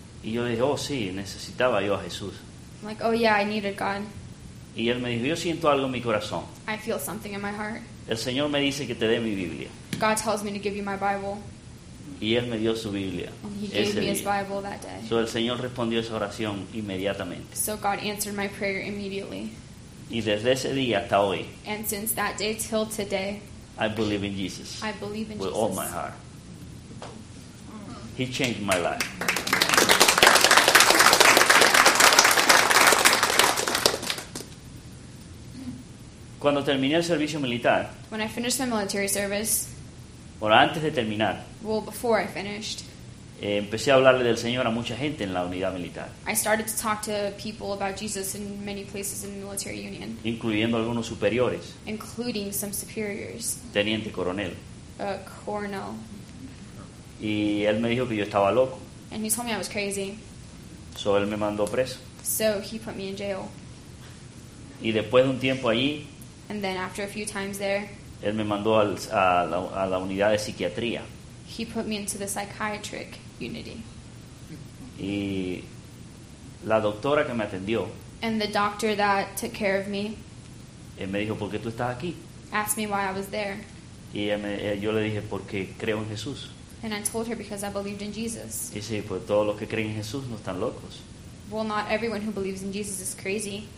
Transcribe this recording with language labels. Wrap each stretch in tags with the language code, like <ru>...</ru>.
<es>Y yo dije, oh sí, necesitaba yo a Jesús.</es> <en>I'm like, oh yeah, I needed God.</en> <es>Y él me dijo, yo siento algo en mi corazón.</es> <en>I feel something in my heart.</en> <es>El Señor me dice que te dé mi Biblia.</es> <en>God tells me to give you my Bible.</en> <es>Y él me dio su Biblia.</es> <en>And he gave me his Bible that day.</en> <es>So el Señor respondió esa oración inmediatamente.</es> <en>So God answered my prayer immediately.</en> <es>Y desde ese día hasta hoy.</es> <en>And since that day till today. I believe in Jesus. I believe in with Jesus. With all my heart. He changed my life.</en> <es>Cuando terminé el servicio militar.</es> <en>When I finished my military service.</en> <es>Bueno, antes de terminar.</es> <en>Well, before I finished.</en> <es>Empecé a hablarle del Señor a mucha gente en la unidad militar.</es> <en>I started to talk to people about Jesus in many places in the military union.</en> <es>Incluyendo algunos superiores.</es> <en>Including some superiors.</en> <es>Teniente coronel.</es> <en>A colonel.</en> <es>Y él me dijo que yo estaba loco.</es> <en>And he told me I was crazy.</en> <es>So él me mandó preso.</es> <en>So he put me in jail.</en> <es>Y después de un tiempo allí.</es> <en>And then after a few times there.</en> <es>Él me mandó a la unidad de psiquiatría.</es> <en>He put me into the psychiatric unity.</en> <es>Y la doctora que me atendió.</es> <en>And the doctor that took care of me.</en> <es>Él me dijo, ¿por qué tú estás aquí?</es> <en>Asked me why I was there.</en> <es>Y yo le dije, porque creo en Jesús.</es> <en>And I told her because I believed in Jesus.</en> <es>Y sí, pues todos los que creen en Jesús no están locos.</es> <en>Well, not everyone who believes in Jesus is crazy.</en>